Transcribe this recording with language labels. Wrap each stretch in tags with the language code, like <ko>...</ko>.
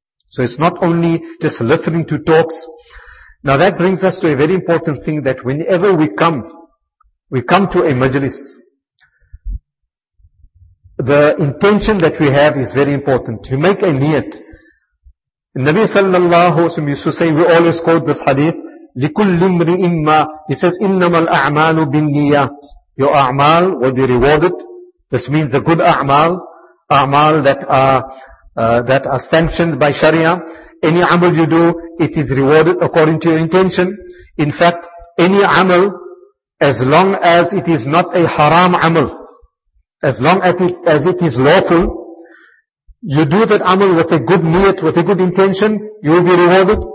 <en>So it's not only just listening to talks. Now that brings us to a very important thing, that whenever we come to a majlis, the intention that we have is very important. You make a niyat. Nabi sallallahu alayhi wa sallam used to say, we always quote this hadith,</en> <ar>لِكُلِّ امْرِئٍ مَا.</ar> <en>He says,</en> <ar>إِنَّمَا الْأَعْمَالُ بِالنِّيَاتِ.</ar> <en>Your a'mal will be rewarded. This means the good a'mal, a'mal that are sanctioned by Sharia. Any amal you do, it is rewarded according to your intention. In fact, any amal, as long as it is not a haram amal, as long as it is lawful, you do that amal with a good niyat, with a good intention, you will be rewarded.</en>